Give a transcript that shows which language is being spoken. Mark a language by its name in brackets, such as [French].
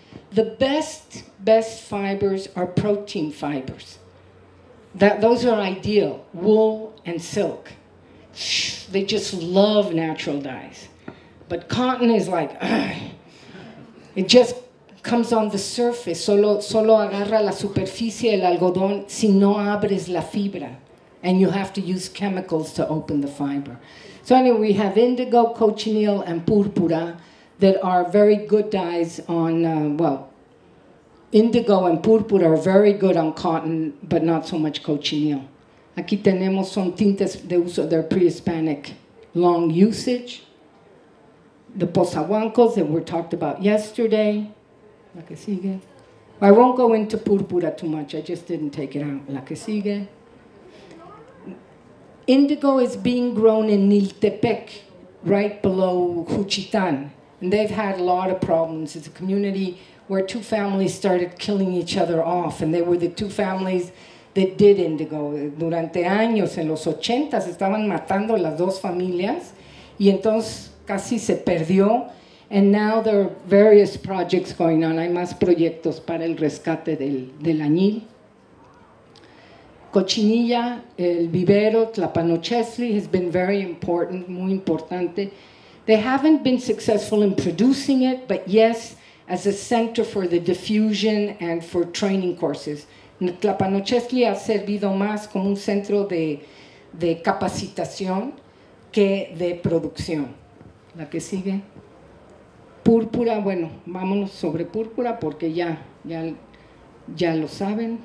[English] The best fibers are protein fibers. Those are ideal, wool and silk. They just love natural dyes. But cotton is like, it just comes on the surface. [Spanish] Solo agarra la superficie del algodón si no abres la fibra. [English] And you have to use chemicals to open the fiber. So anyway, we have indigo, cochineal, and púrpura that are very good dyes on, indigo and púrpura are very good on cotton, but not so much cochineal. [Spanish] Aquí tenemos son tintes de uso, they're pre-Hispanic, long usage. [English] The posahuancos that were talked about yesterday. La que sigue. I won't go into púrpura too much, I just didn't take it out. La que sigue. Indigo is being grown in Niltepec, right below Juchitán. And they've had a lot of problems. It's a community where two families started killing each other off, and they were the two families that did indigo. [Spanish] Durante años, en los ochentas, estaban matando las dos familias, y entonces casi se perdió. [English] And now there are various projects going on. [Spanish] Hay más proyectos para el rescate del añil. [English] Cochinilla, el vivero, Tlapanochesli, has been very important, muy importante. They haven't been successful in producing it, but yes, as a center for the diffusion and for training courses. [Spanish] Tlapanochesli ha servido más como un centro de capacitación que de producción. La que sigue. Púrpura, bueno, vámonos sobre púrpura porque ya lo saben.